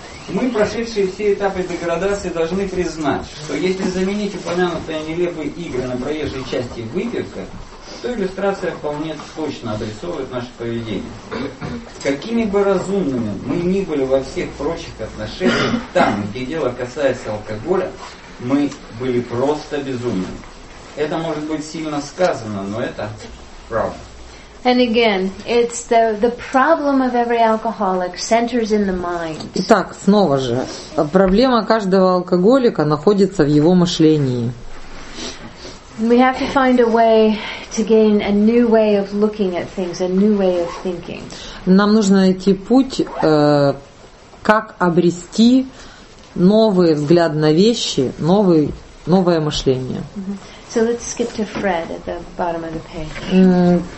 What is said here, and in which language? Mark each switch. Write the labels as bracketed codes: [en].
[ru] Мы, прошедшие все этапы деградации, должны признать, что если заменить упомянутые нелепые игры на проезжей части выпивка, то иллюстрация вполне точно обрисовывает наше поведение. Какими бы разумными мы ни были во всех прочих отношениях, там, где дело касается алкоголя, мы были просто безумными. Это может быть сильно сказано, но это правда. [en] And again, it's the problem of every alcoholic centers in the mind. [ru] Итак, снова же, проблема каждого алкоголика находится в его мышлении. [en] We have to find a way to gain a new way of looking at things, a new way of thinking. [ru] Нам нужно найти путь, как обрести новый взгляд на вещи, новое мышление. Mm-hmm. [en] So let's skip to Fred at the bottom of the page.